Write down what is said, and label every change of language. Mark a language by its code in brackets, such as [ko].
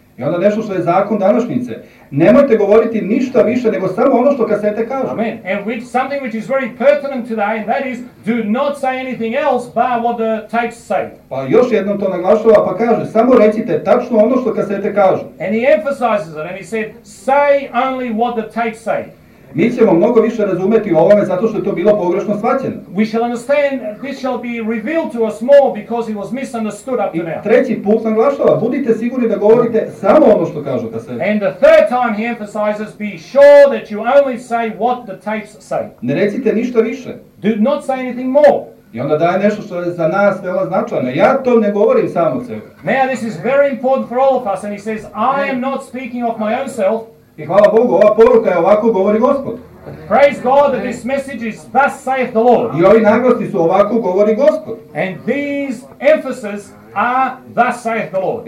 [sr] I onda nešto što je zakon današnjice. Nemojte govoriti ništa više nego samo ono što kasete kažu. Amen. [en] And something which is very pertinent today, and that is, do not say anything else but what the tapes say. [sr] Pa još jednom to naglašava, pa kaže, samo recite tačno ono što kasete kažu. [en] And he emphasizes it, and he said, say only what the tapes say. [sr] Mi ćemo mnogo više razumeti o ovome zato što je to bilo pogrešno shvaćeno. [en] We shall understand this shall be revealed to us more because it was misunderstood up to now. [sr] I treći put naglašava, budite sigurni da govorite samo ono što kažu kasete. [en] And the third time he emphasizes, be sure that you only say what the tapes say. [sr] Ne recite ništa više. [en] Do not say anything more. [sr] I onda daje nešto što je za nas veoma značajno. Ja to ne govorim sam od sebe. [en] Now this is very important for all of us, and he says, I am not speaking of my own self. [sr] I hvala Bogu, ova poruka je ovako govori Gospod. [en] Praise God that this message is thus saith the Lord. [sr] I ovi naglasci su ovako govori Gospod. [en] And these emphases are thus saith the Lord.